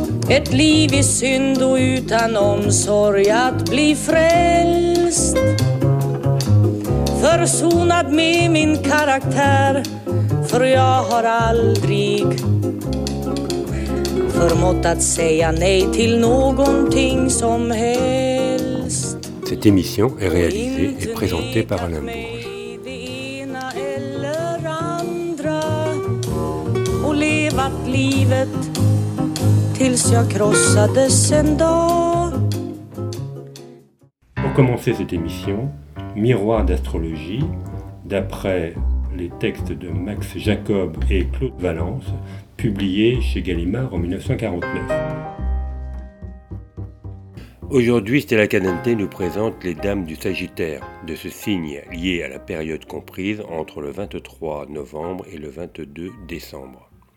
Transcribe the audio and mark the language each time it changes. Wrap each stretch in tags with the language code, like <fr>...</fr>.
<sv>Ett liv i synd och utan omsorg att bli frälst. Försonad med min karaktär, för jag har aldrig förmått att säga nej till någonting som helst.</sv> <fr>Cette émission est réalisée et présentée par Alain Bourges.</fr> <sv>Eller andra och levat livet tills jag krossades en dag.</sv> <fr>Pour commencer cette émission, miroir d'astrologie d'après les textes de Max Jacob et Claude Valence, publiés chez Gallimard en 1949. Aujourd'hui, Stella Cadente nous présente les dames du Sagittaire, de ce signe lié à la période comprise entre le 23 novembre et le 22 décembre.</fr>